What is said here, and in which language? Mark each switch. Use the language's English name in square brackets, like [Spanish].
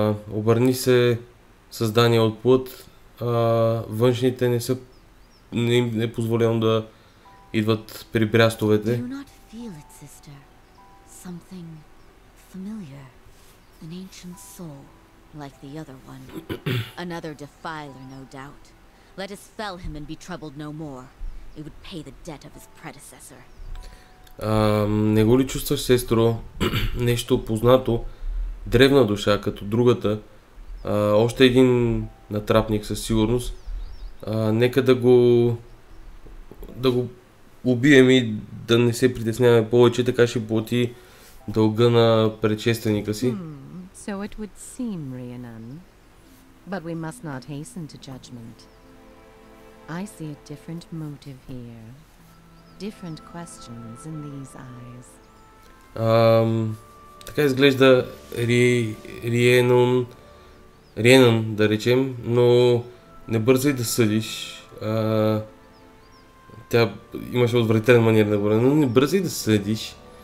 [Bulgarian] Обърни се, създание от плът. Външните не са... Не им е позволено да идват при брястовете. [English] Feel it, sister. Something familiar. An ancient soul, like the other one. Another defiler, no doubt. Let us fell him and be troubled no more. It would pay the debt of his predecessor. [Bulgarian] Не го ли чувстваш, сестро? Нещо познато. Древна душа, като другата. Още един натрапник, със сигурност. Нека да го убием и да не се притесняваме повече, така ще плати дълга на предшественика си. [English] So it would seem, Rhiannon. But we must not hasten to judgment. I see a different motive here. Different questions in these eyes. [Bulgarian] Така изглежда Рhiannon, да речем, но не бързай да съдиш. Тя имаше отвратителен манер да говори, но не бързай да съдиш.